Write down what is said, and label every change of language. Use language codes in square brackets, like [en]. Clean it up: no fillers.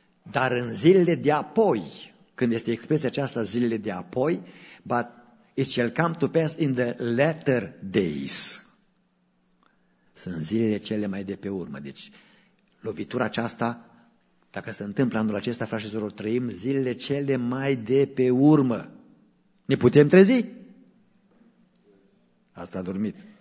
[ro] Dar în zilele de apoi, când este expresia aceasta zilele de apoi, [en] It shall come to pass in the latter days. [ro] Sunt zilele cele mai de pe urmă. Deci, lovitura aceasta, dacă se întâmplă anul acesta, frașilor, trăim zilele cele mai de pe urmă. Ne putem trezi? Asta a dormit.